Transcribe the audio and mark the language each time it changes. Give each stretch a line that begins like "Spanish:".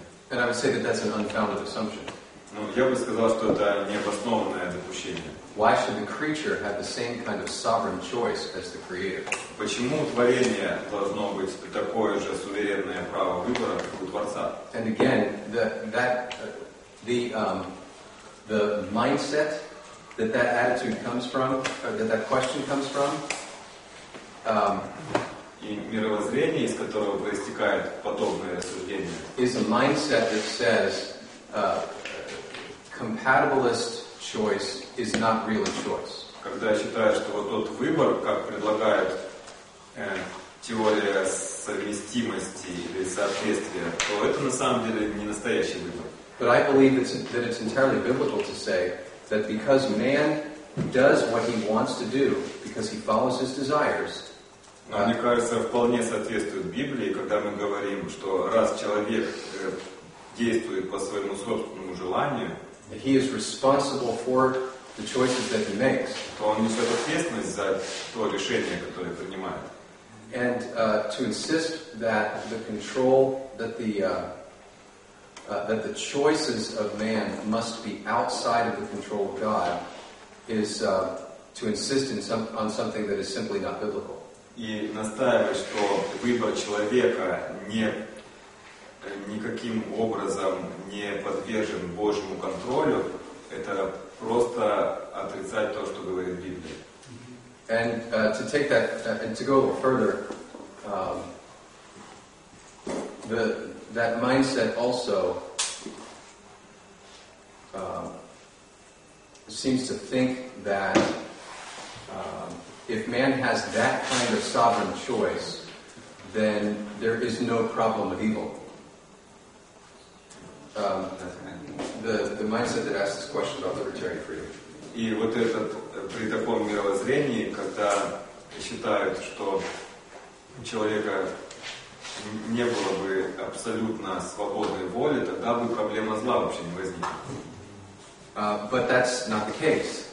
English: And I would say that that's an unfounded assumption.
Russian: Ну, я бы сказал, что это необоснованное допущение.
English: Why should the creature have the same kind of sovereign choice as the creator?
Russian: Почему творение должно быть такое же суверенное право выбора, как у Творца?
English: And again, the mindset that attitude comes from, that question comes from.
Russian: И мировоззрение, из которого проистекает подобное рассуждение.
English: Is a mindset that says compatibilist choice is not really choice.
Russian: Когда считают, что вот тот выбор, как предлагает теория совместимости или соответствия, то это на самом деле не настоящий выбор.
English: But I believe that it's entirely biblical to say that because man does what he wants to do, because he follows his desires.
Russian: Но мне кажется, вполне соответствует Библии, когда мы говорим, что раз человек действует по своему собственному желанию,
English: he is responsible for the choices that he makes.
Russian: То он несет ответственность за то решение, которое принимает.
English: And to insist that the control, that the choices of man must be outside of the control of God is to insist on something that is simply not biblical.
Russian: И настаивать, что выбор человека никаким образом не подвержен Божьему контролю, это просто отрицать то, что говорит Библия.
English: And to take that and to go further, that mindset also seems to think that if man has that kind of sovereign choice, then there is no problem of evil. The mindset that asks this question about libertarian freedom.
Russian: И вот этот при таком мировоззрении, когда считают, что у человека не было бы абсолютно свободной воли, тогда бы проблема зла вообще не возникла.
English: But that's not the case.